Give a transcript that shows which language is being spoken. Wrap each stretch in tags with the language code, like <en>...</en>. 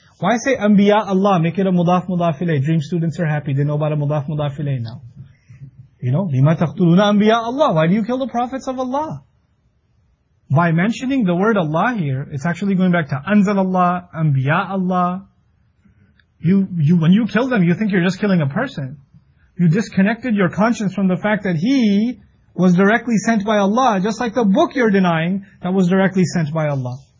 <en>Why say</en> <ar>أَنْبِيَاءَ اللَّهِ?</ar> <en>Make it a mudaf mudaf ilayh. Dream students are happy. They know about a mudaf mudaf ilayh now. You know,</en> <ar>لِمَا تَقْتُلُونَ أَنْبِيَاءَ اللَّهِ?</ar> <en>Why do you kill the prophets of Allah? By mentioning the word Allah here, it's actually going back to Anzal Allah, Anbiya Allah. You, when you kill them, you think you're just killing a person. You disconnected your conscience from the fact that he was directly sent by Allah, just like the book you're denying that was directly sent by Allah.</en>